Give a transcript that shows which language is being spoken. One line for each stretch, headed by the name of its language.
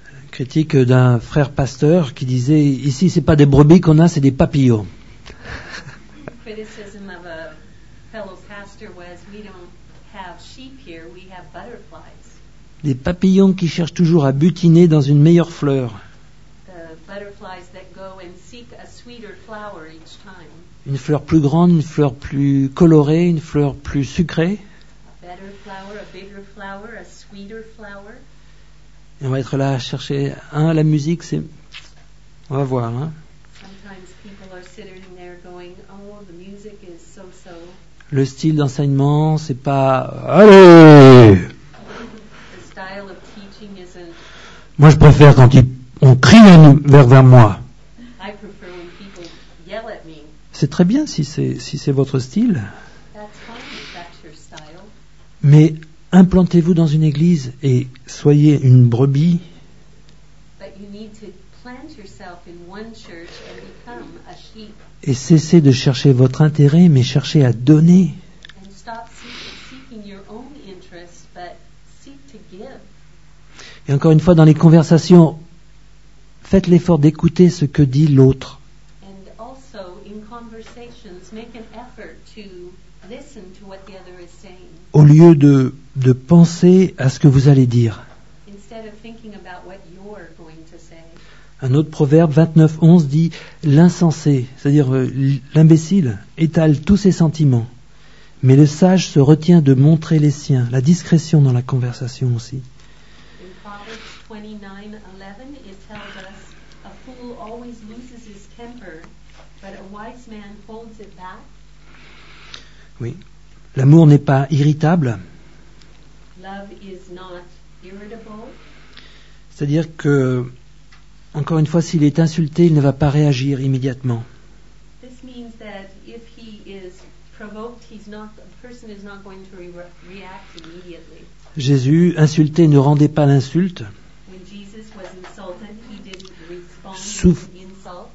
French: Critique d'un frère pasteur qui disait « Ici, c'est pas des brebis qu'on a, c'est des papillons. »
English: Criticism of a fellow pastor was « We don't have sheep here, we have butterflies. »
French: Des papillons qui cherchent toujours à butiner dans une meilleure fleur.
English: The butterflies that go and seek a sweeter flower each time.
French: Une fleur plus grande, une fleur plus colorée, une fleur plus sucrée.
English: A better flower, a bigger flower, a sweeter flower.
French: Et on va être là à chercher. Hein, la musique, c'est. On va voir. Hein.
English: Sometimes people are sitting there going, oh, the music is so-so.
French: Le style d'enseignement, c'est pas. Allez!
English: The style of teaching isn't.
French: Moi, je préfère quand on crie vers moi.
English: I prefer when people yell at me.
French: C'est très bien si c'est votre style.
English: That's fine if that's your style.
French: Mais. Implantez-vous dans une église et soyez une brebis.
English: But you need to plant yourself in one church and become a sheep.
French: Et cessez de chercher votre intérêt, mais cherchez à donner.
English: And stop seeking your own interest, but seek to give.
French: Et encore une fois, dans les conversations, faites l'effort d'écouter ce que dit l'autre.
English: And also, in conversations, make an effort to listen to what the other is saying.
French: Au lieu de penser à ce que vous allez dire.
English: Instead of thinking about what you're going to say.
French: Un autre proverbe 29:11 dit l'insensé, c'est-à-dire l'imbécile, étale tous ses sentiments, mais le sage se retient de montrer les siens, la discrétion dans la conversation aussi.
English: In Proverbs 29:11, it tells us a fool always loses his temper, but a wise man holds it back.
French: Oui. L'amour n'est pas irritable.
English: Love is not irritable.
French: C'est-à-dire que, encore une fois, s'il est insulté, il ne va pas réagir immédiatement.
English: This means that if he is provoked, the person is not going to react immediately.
French: Jésus, insulté, ne rendait pas l'insulte.
English: When Jesus was insulted, he didn't respond to the insult.